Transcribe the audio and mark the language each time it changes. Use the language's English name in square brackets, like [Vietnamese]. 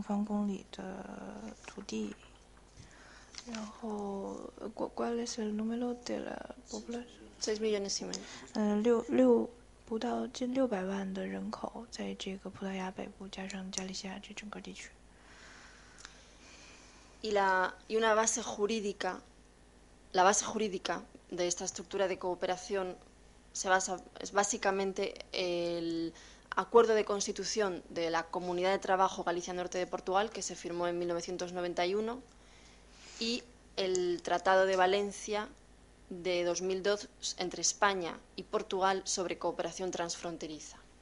[Spanish] ¿Perdón? 50.000 kilómetros cuadrados. ¿Cuál es el número de la población? 6 millones y medio. [Chinese] 不到近600万的人口在这个葡萄牙北部加上加利西亚这整个地区。 [Spanish] Y una base jurídica, la base jurídica de esta estructura de cooperación se basa, es básicamente el acuerdo de constitución de la Comunidad de Trabajo Galicia Norte de Portugal, que se firmó en 1991, y el Tratado de Valencia de 2002 entre España y Portugal sobre cooperación transfronteriza.